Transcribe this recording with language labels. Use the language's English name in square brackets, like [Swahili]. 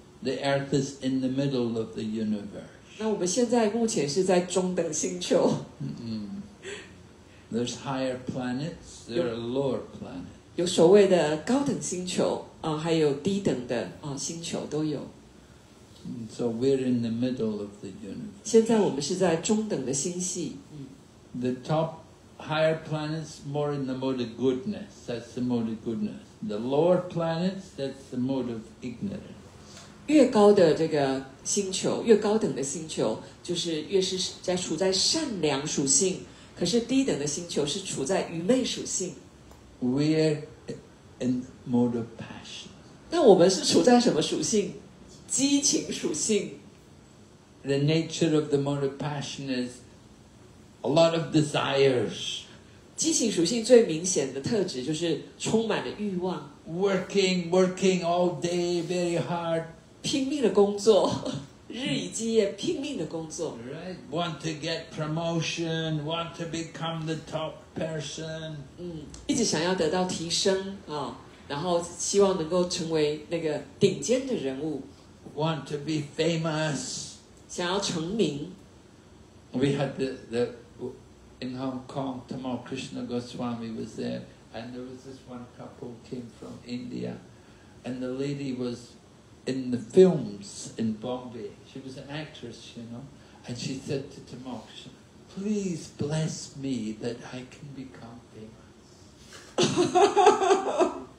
[English] The earth is in the middle of the universe. [Chinese] 那我们现在目前是在中等星球。 [English] There's higher planets. There are lower planets. [Chinese] 有所谓的高等星球。还有低等的星球都有。 [English] So we're in the middle of the universe. [Chinese] 现在我们是在中等的星系。 [English] The top higher planets more in the mode of goodness. That's the mode of goodness. The lower planets, that's the mode of ignorance. [Chinese] 越高的这个星球，越高等的星球，就是越是在处在善良属性。可是低等的星球是处在愚昧属性。 [English] We're in mode of passion. [Chinese] 那我们是处在什么属性？激情属性。 [English] The nature of the mode of passion is a lot of desires. [Chinese] 激情属性最明显的特质就是充满了欲望。 [English] Working, working all day, very hard. [Chinese] 拼命的工作。日以继夜拼命的工作 [English] right, want to get promotion, want to become the top person. [Chinese] 一直想要得到提升、哦、然后希望能够成为那个顶尖的人物 [English] want to be famous, [Chinese] 想要成名 [English] We had the in Hong Kong, Tamal Krishna Goswami was there, and there was this one couple came from India, and the lady wasin the films in Bombay. She was an actress, you know. And she said to Tamoksh, please bless me that I can become famous.